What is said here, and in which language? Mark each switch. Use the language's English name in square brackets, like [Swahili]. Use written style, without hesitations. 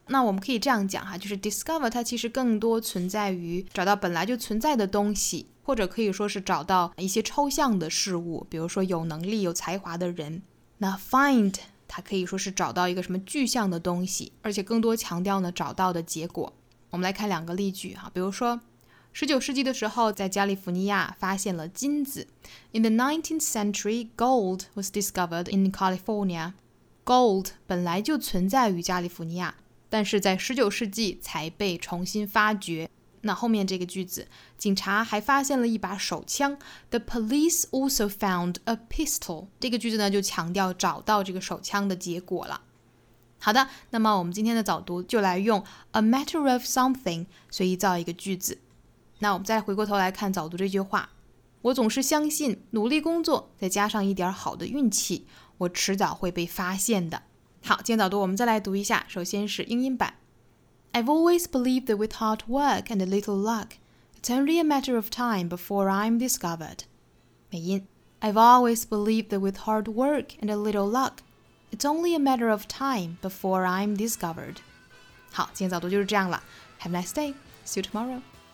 [Chinese] 那我们可以这样讲哈，就是 discover 它其实更多存在于找到本来就存在的东西，或者可以说是找到一些抽象的事物，比如说有能力有才华的人。那 find 它可以说是找到一个什么具象的东西，而且更多强调呢找到的结果。我们来看两个例句哈，比如说19世纪的时候在加利福尼亚发现了金子。 [English] In the 19th century, gold was discovered in California. [Chinese] Gold 本来就存在于加利福尼亚，但是在19世纪才被重新发掘。那后面这个句子，警察还发现了一把手枪。 [English] The police also found a pistol. [Chinese] 这个句子呢就强调找到这个手枪的结果了。好的，那么我们今天的早读就来用 [English] a matter of something [Chinese] 随意造一个句子。那我们再回过头来看早读这句话，我总是相信努力工作再加上一点好的运气，我迟早会被发现的。好，今天早读我们再来读一下，首先是英音版。 [English] I've always believed that with hard work and a little luck, it's only a matter of time before I'm discovered. [Chinese] 美音。 [English] I've always believed that with hard work and a little luck, it's only a matter of time before I'm discovered. [Chinese] 好，今天早读就是这样了。 [English] Have a nice day. See you tomorrow.